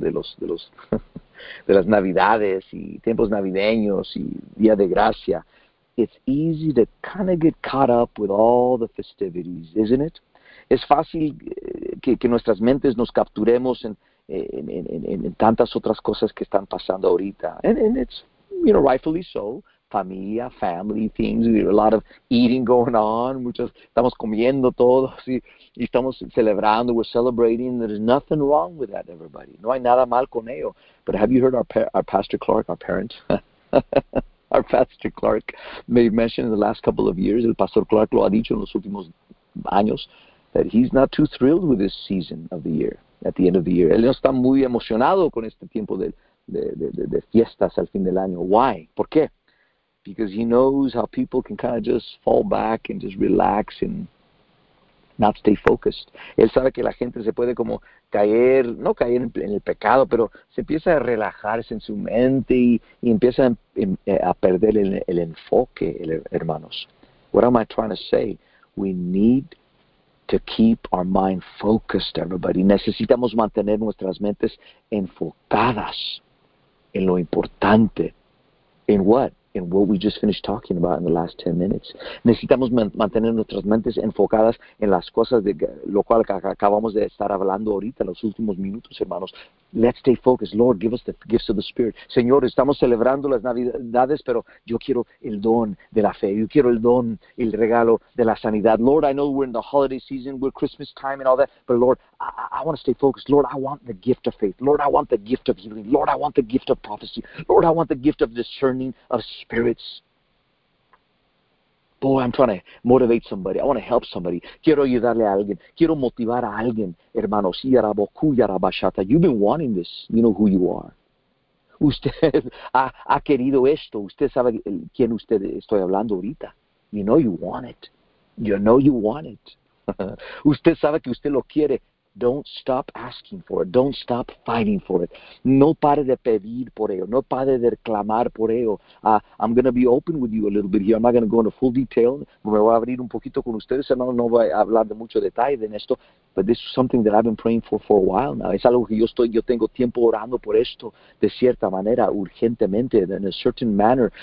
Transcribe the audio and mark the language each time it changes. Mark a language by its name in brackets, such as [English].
[Spanish] De los de las navidades y tiempos navideños y Día de Gracia. [English] It's easy to kind of get caught up with all the festivities, isn't it? [Spanish] Es fácil que nuestras mentes nos capturemos en tantas otras cosas que están pasando ahorita. [English] And it's, you know, rightfully so. Familia, family, things. There's a lot of eating going on. [Spanish] Estamos comiendo todos y estamos celebrando. [English] We're celebrating. There's nothing wrong with that, everybody. [Spanish] No hay nada mal con ello. [English] But have you heard our Pastor Clark, our parents? Our Pastor Clark made mention in the last couple of years, [Spanish] el Pastor Clark lo ha dicho en los últimos años, [English] that he's not too thrilled with this season of the year, at the end of the year. [Spanish] Él no está muy emocionado con este tiempo de fiestas al fin del año. [English] Why? [Spanish] ¿Por qué? [English] Because he knows how people can kind of just fall back and just relax and not stay focused. [Spanish] Él sabe que la gente se puede como caer, no caer en el pecado, pero se empieza a relajarse en su mente y empieza a perder el enfoque, hermanos. [English] What am I trying to say? We need to keep our mind focused, everybody. [Spanish] Necesitamos mantener nuestras mentes enfocadas en lo importante. [English] In what? In what we just finished talking about in the last 10 minutes. [Spanish] Necesitamos mantener nuestras mentes enfocadas en las cosas de lo cual acabamos de estar hablando ahorita, los últimos minutos, hermanos. [English] Let's stay focused. Lord, give us the gifts of the Spirit. [Spanish] Señor, estamos celebrando las Navidades, pero yo quiero el don de la fe. Yo quiero el don, el regalo de la sanidad. [English] Lord, I know we're in the holiday season, we're Christmas time and all that, but Lord, I want to stay focused. Lord, I want the gift of faith. Lord, I want the gift of healing. Lord, I want the gift of prophecy. Lord, I want the gift of discerning of spirits. Boy, I'm trying to motivate somebody. I want to help somebody. [Spanish] Quiero ayudarle a alguien. Quiero motivar a alguien, hermanos. [English] You've been wanting this. You know who you are. [Spanish] Usted ha querido esto. Usted sabe quién usted estoy hablando ahorita. [English] You know you want it. You know you want it. [Spanish] Usted sabe que usted lo quiere. [English] Don't stop asking for it. Don't stop fighting for it. [Spanish] No pare de pedir por ello. No pare de clamar por ello. [English] I'm going to be open with you a little bit here. I'm not going to go into full detail. [Spanish] Me voy a abrir un poquito con ustedes. No voy a hablar de mucho detalle en esto. [English] But this is something that I've been praying for a while now. [Spanish] Es algo que yo tengo tiempo orando por esto de cierta manera, urgentemente, [English] in a certain manner.